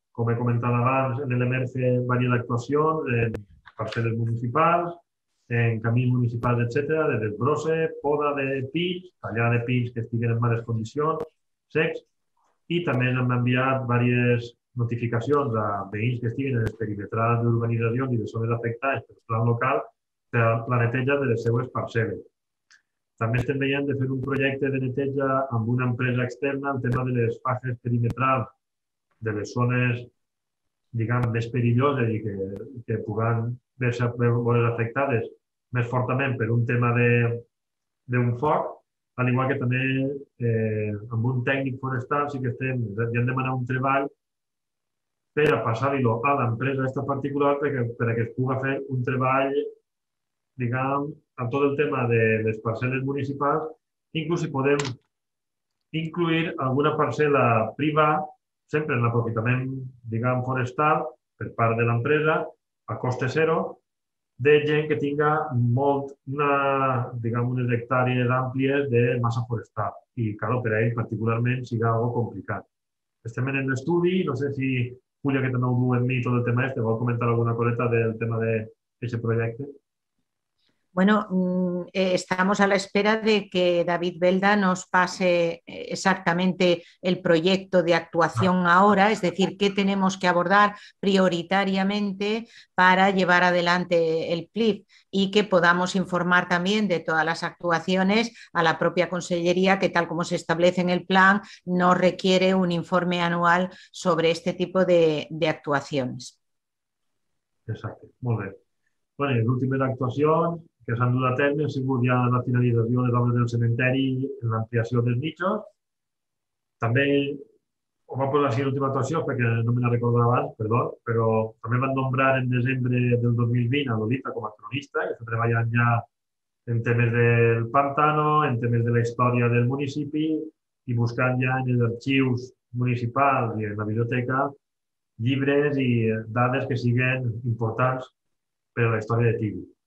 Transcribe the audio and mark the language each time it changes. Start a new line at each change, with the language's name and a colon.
Spanish: Como he comentado antes, en el emerge varias actuaciones en parcelas municipales, en caminos municipales, etcétera, desde el brose, poda de pins,
Catalan: tallada de pins que estiguen en males condiciones, secs,
Spanish: y también han enviado varias notificaciones a
Catalan: veïns que estiguen
Spanish: en el perimetral de urbanización y de zones afectadas
Catalan: pel plan local de la neteja de les seues parcelas. També estem veient de fer un projecte de neteja amb una empresa externa en tema de les fases perimetrals de les zones, diguem, més perilloses i que puguen veure's afectades més fortament per un tema d'un foc, al igual que també amb un tècnic forestal sí que estem, li han demanat un treball per a passar-lo a l'empresa aquesta particular perquè es pugui fer un treball, diguem, amb tot el tema de les parcel·les municipals, inclús si podem incluir alguna parcel·la privada sempre en l'aprofitament, diguem, forestal, per part de l'empresa, a coste zero, de gent que tinga molt, diguem, unes hectàrees àmplies de massa forestal. I, clar, per a ell particularment siga algo complicat. Estem en l'estudi, no sé si Julia, que també ho du en mi tot el tema este, vol comentar alguna coseta del tema d'aquest projecte?
Spanish: Bueno, estamos a la espera de que David Belda nos pase exactamente el proyecto de actuación ahora, es decir, qué tenemos que abordar prioritariamente para llevar adelante el PLIF y que podamos informar también de todas las actuaciones a la propia consellería que tal como se establece en el plan no requiere un informe anual sobre este tipo de actuaciones. Exacto, muy bien. Bueno, y la última actuación
Catalan: que s'han dut a terme, ha sigut ja la finalització de l'obra del cementeri en l'ampliació dels nichos. També ho va posar així l'última actuació, perquè no me la recordava abans, perdó, però també van nombrar en desembre del 2020 a Lolita com a cronista, que està treballant ja en temes del pantano, en temes de la història del municipi i buscant ja en els arxius municipals i en la biblioteca llibres i dades que siguin importants per a la història de Tibi.